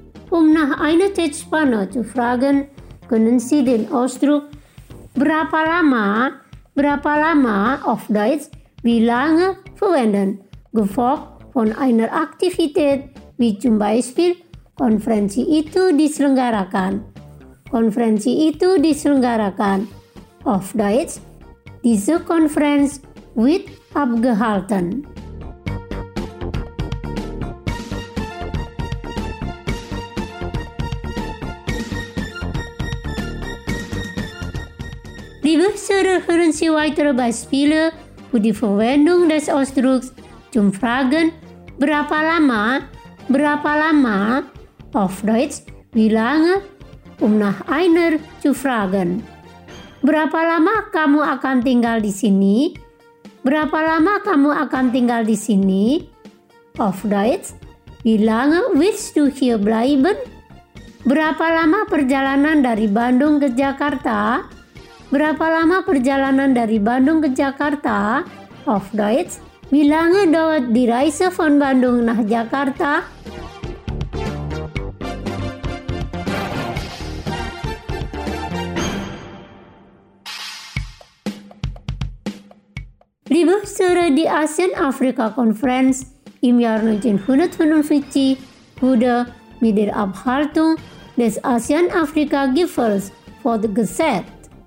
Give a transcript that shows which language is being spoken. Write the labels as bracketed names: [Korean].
[German] Um nach einer Zeitspanne zu fragen, können Sie den Ausdruck, berapa lama, auf Deutsch, wie lange verwenden Gefolg von einer Aktivität, wie zum Beispiel [Indonesian] Konferensi itu diselenggarakan. Konferensi itu diselenggarakan. [German] Auf Deutsch, diese Konferenz wird abgehalten. Liebe Zuhörer, hören Sie weitere Beispiele für die Verwendung des Ausdrucks zum Fragen berapa lama, berapa lama, auf Deutsch, wie lange, nach einer zu fragen. [Indonesian] Berapa lama kamu akan tinggal di sini? Berapa lama kamu akan tinggal di sini? [German] Auf Deutsch, wie lange willst du hier bleiben? [Indonesian] Berapa lama perjalanan dari Bandung ke Jakarta? Berapa lama perjalanan dari Bandung ke Jakarta? [German] Auf Deutsch, wie lange dauert die Reise von Bandung nach Jakarta? Liebe Zuhörer, die ASEAN-Afrika-Konferenz im Jahr 1955 wurde mit der Abhaltung des ASEAN-Afrika-Gipfels fortgesetzt.